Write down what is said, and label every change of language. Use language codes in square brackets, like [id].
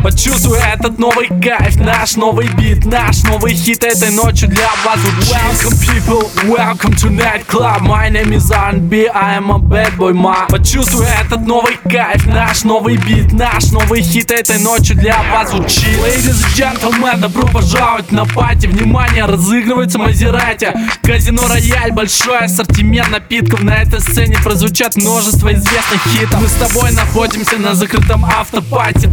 [ru] Почувствуй этот новый кайф, наш новый бит, наш новый хит этой ночью для вас. [en] Welcome people, welcome to Night Club, my name is R&B, I am a bad boy, ma. [ru] Почувствуй этот новый кайф, наш новый бит, наш новый хит этой ночью для вас звучит. [en] Ladies and gentlemen, [ru] добро пожаловать на пати. Внимание, разыгрывается Мазерати. Казино Рояль, большой ассортимент напитков. На этой сцене прозвучат множество известных хитов. Мы с тобой находимся на закрытом автопати.